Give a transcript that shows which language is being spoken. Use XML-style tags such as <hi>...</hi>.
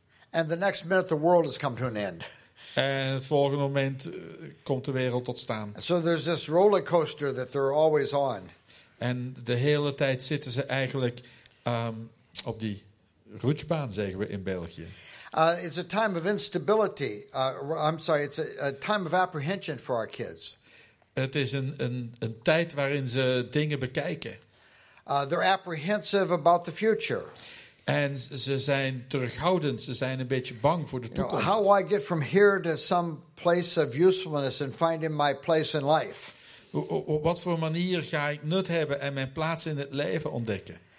<en>And the next minute the world has come to an end.</en> <nl>En het volgende moment komt de wereld tot staan.</nl> <en>So there's this roller coaster that they're always on.</en> <nl>En de hele tijd zitten ze eigenlijk op die rutschbaan, zeggen we in België.</nl> <en>It's a time of instability. It's a time of apprehension for our kids.</en> <nl>Het is een tijd waarin ze dingen bekijken.</nl> <en>They're apprehensive about the future.</en> <nl>En ze zijn terughoudend. Ze zijn een beetje bang voor de toekomst.</nl> <en>You know, how will I get from here to some place of usefulness and finding my place in life?</en> <nl>Op wat voor manier ga ik nut hebben en mijn plaats in het leven ontdekken?</nl>